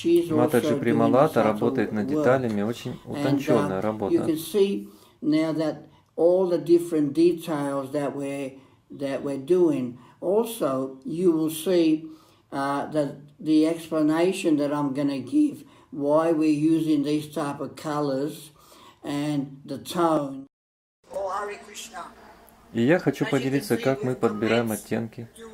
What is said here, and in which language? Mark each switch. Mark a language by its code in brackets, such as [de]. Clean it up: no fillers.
[ru] Матаджи Прималата работает над деталями, очень утонченная работа. [en] You can see now that all the different details that we're doing. Also, you will see the explanation that I'm going to give why we're using these type of colors and the tone. Oh, Hare Krishna. [ru] И я хочу поделиться, как мы подбираем оттенки.